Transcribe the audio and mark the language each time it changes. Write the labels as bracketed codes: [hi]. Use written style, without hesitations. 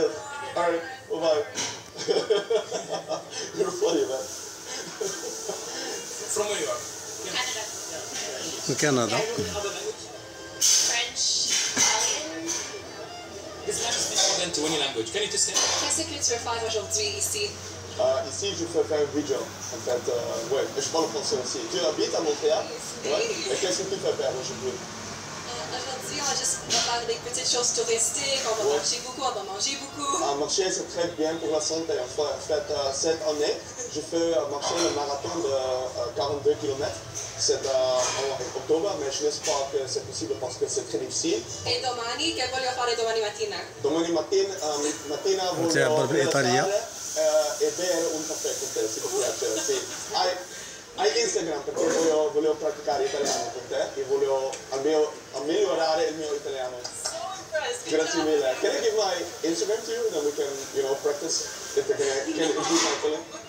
[en] Yes. Okay. All right. Bye-bye. You're funny, man. From where you are? Canada. French, Italian. Is that language? Can you just say? Basically, it's for five or three. [fr] Ici, je fais faire un video. En fait, ouais, je parle français aussi. Tu habites à Montréal? Oui. Et qu'est-ce que tu fais faire aujourd'hui? Aujourd'hui, on va juste parler des petites choses touristiques. On va marcher beaucoup, on va manger beaucoup. Marcher, c'est très bien pour la santé. En fait, cette année, je fais marcher le marathon de 42 km. C'est en octobre, mais je n'espère pas que c'est possible parce que c'est très difficile. [it] Et domani, que voglio fare domani mattina? Domani mattina, voglio andare in Italia e bere un caffè con te, se ti piace. Sì. Hai Instagram perché volevo praticare italiano con te e volevo migliorare il mio italiano. [en] So impressed. [it] Grazie mille. [en] Can I give my Instagram to you, then we can, you know, practice if we can do my feeling?